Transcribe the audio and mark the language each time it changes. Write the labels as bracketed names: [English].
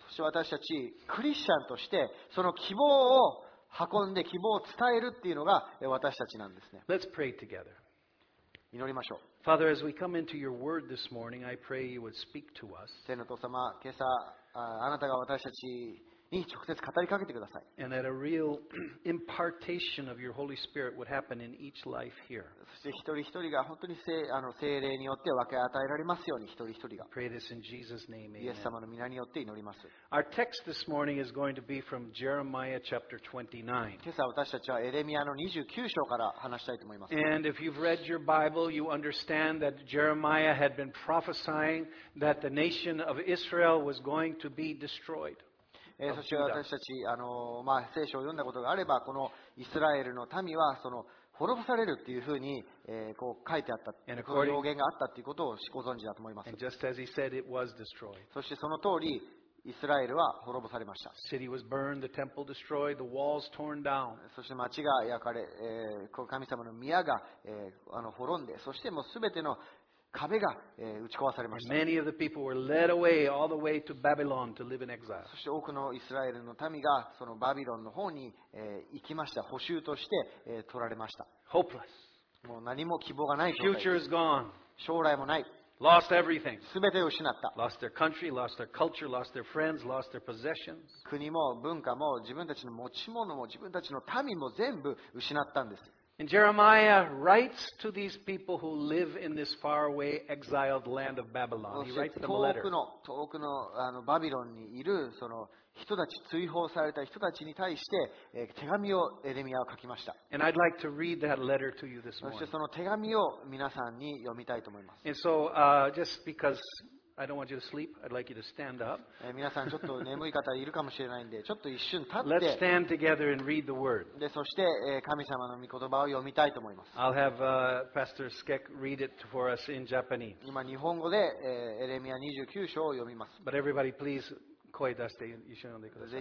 [Japanese] そして私たちクリスチャンとしてその希望を運んで希望を伝えるっていうのが私たちなんですね。 [English] Let's pray together. [Japanese] 祈りましょう。 [English] Father, as we come into your word this morning, I pray you would speak to us. [Japanese] 天の父様、今朝あなたが私たちに直接語りかけてください。 [English] And that a real impartation of your Holy Spirit would happen in each life here. [Japanese] そして一人一人が本当に聖霊によって分け与えられますように一人一人が。 [English] Pray this in Jesus' name, [Japanese] イエス様の名によって祈ります。 [English] Our text this morning is going to be from Jeremiah chapter 29. [Japanese] 今朝私たちはエレミアの29章から話したいと思います。 [English] And if you've read your Bible, you understand that Jeremiah had been prophesying that the nation of Israel was going to be destroyed. [Japanese] そして私たち聖書を読んだことがあればこのイスラエルの民はその滅ぼされるというふうに、こう書いてあったこの表現があったということをご存知だと思います。 [English] And just as he said, it was destroyed. [Japanese] そしてその通りイスラエルは滅ぼされました。 [English] City was burned, the temple destroyed, the walls torn down. [Japanese] そして町が焼かれ、この神様の宮が、滅んでそしてもう全ての壁が打ち壊されました。 [English] Many of the people were led away all the way to Babylon to live in exile. [Japanese] そして多くのイスラエルの民がそのバビロンの方に行きました。捕囚として取られました。 [English] Hopeless. [Japanese] もう何も希望がない状態。 [English] Future is gone. [Japanese] 将来もない。 [English] Lost everything. [Japanese] 全てを失った。 [English] Lost their country, lost their culture, lost their friends, lost their possessions. [Japanese] 国も文化も自分たちの持ち物も自分たちの民も全部失ったんです。 [English] And Jeremiah writes to these people who live in this faraway exiled land of Babylon. He writes them a letter. [Japanese] 遠くの、バビロンにいるその人たち、追放された人たちに対して、手紙をエレミアは書きました。 [English] And I'd like to read that letter to you this morning. [Japanese] そしてその手紙を皆さんに読みたいと思います。 [English] And so, just because I don't want you to sleep, I'd like you to stand up. [Japanese] 皆さんちょっと眠い方いるかもしれないんで、ちょっと一瞬立って。 [English] Let's stand together and read the word. [Japanese] で、そして神様の御言葉を読みたいと思います。 [English] I'll have Pastor Skek read it for us in Japanese. [Japanese] 今日本語でエレミア29章を読みます。 [English] But everybody, please [Japanese] 声出して一緒に読んでください。